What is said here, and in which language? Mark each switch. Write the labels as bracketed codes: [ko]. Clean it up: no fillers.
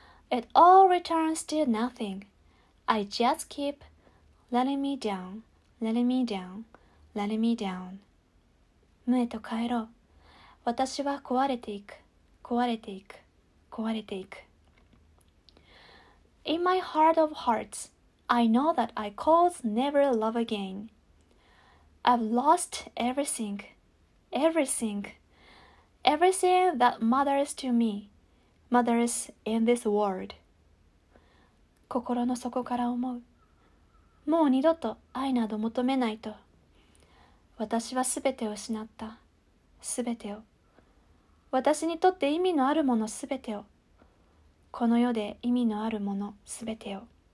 [en] It all returns to nothing. I just keep letting me down, letting me down, letting me down. [ja] 無へと帰ろう。私は壊れていく、壊れていく、壊れていく。 [en] In my heart of hearts, I know that I could never love again. I've lost everything, everything, everything that matters to me, matters in this world. [ja] 心の底から思う。もう二度と愛など求めないと。私はすべてを失った。すべてを。私にとって意味のあるものすべてを。この世で意味のあるものすべてを。